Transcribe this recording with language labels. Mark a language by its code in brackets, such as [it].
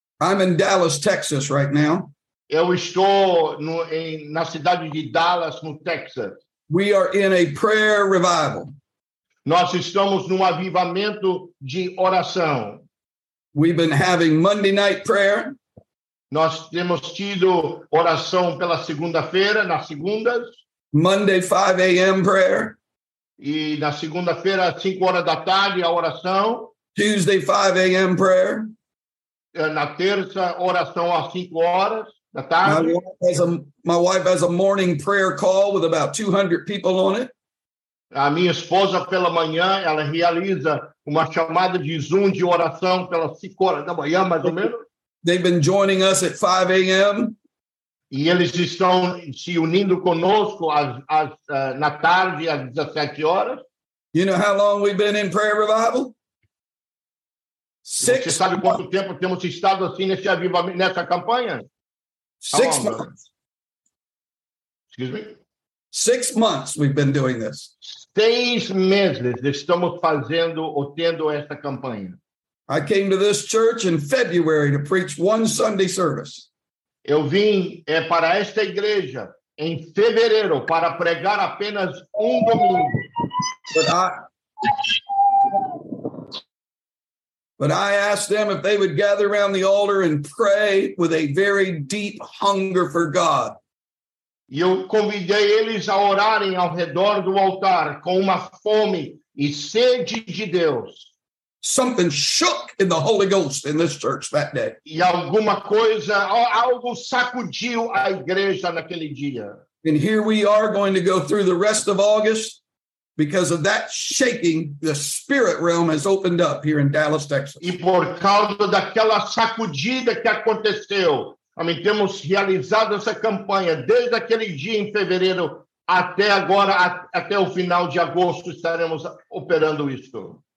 [en] I'm in Dallas, Texas right now. [pt] Eu estou na cidade de Dallas, no Texas. [en] We are in a prayer revival. [pt] Nós estamos num avivamento de oração. [en] We've been having Monday night prayer. [pt] Nós temos tido oração pela segunda-feira, nas segundas. [en] Monday 5 a.m. prayer. [pt] E na segunda-feira, às 5 horas da tarde, a oração. [en] Tuesday 5 a.m. prayer. [pt] Na terça, oração às 5 horas da tarde. [en] My wife has a morning prayer call with about 200 people on it. [pt] A minha esposa, pela manhã, ela realiza uma chamada de Zoom de oração pelas 5 horas da manhã, mais ou menos. [en] They've been joining us at 5 a.m. [pt] E eles estão se unindo conosco na tarde, às 17 horas. [en] You know how long we've been in prayer revival? Six. [pt] Você sabe quanto tempo temos estado assim nesse avivamento, nessa campanha? [en] Six months. Excuse me? 6 months we've been doing this. [pt] 6 meses estamos fazendo ou tendo essa campanha. [en] I came to this church in February to preach one Sunday service. [pt] Eu vim para esta igreja em fevereiro para pregar apenas um domingo. [en] But I asked them if they would gather around the altar and pray with a very deep hunger for God. [pt] E eu convidei eles a orarem ao redor do altar com uma fome e sede de Deus. [en] Something shook in the Holy Ghost in this church that day. [pt] E alguma coisa, algo sacudiu a igreja naquele dia. [en] And here we are going to go through the rest of August. Because of that shaking, the spirit realm has opened up here in Dallas, Texas. [pt] E por causa daquela sacudida que aconteceu, temos realizado essa campanha desde aquele dia em fevereiro até agora, até o final de agosto, estaremos operando isso.